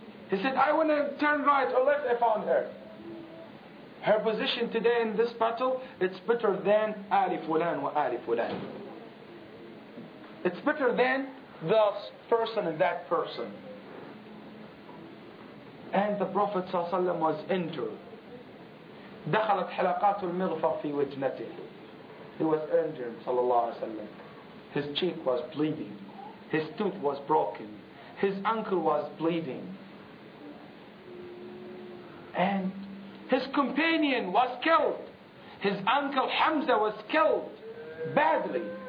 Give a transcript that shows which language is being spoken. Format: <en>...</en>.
<en>He said, I want to turn right or left, I found her. Her position today in this battle, it's better than</en> <ar>Ali Fulan wa Ali Fulan.</ar> <en>It's better than the person and that person. And the Prophet ﷺ was injured.</en> <ar>دخلت حلقات المغفر في وجنته.</ar> <en>He was injured, sallallahu alaihi wasallam. His cheek was bleeding. His tooth was broken. His ankle was bleeding. And his companion was killed. His uncle Hamza was killed badly.</en>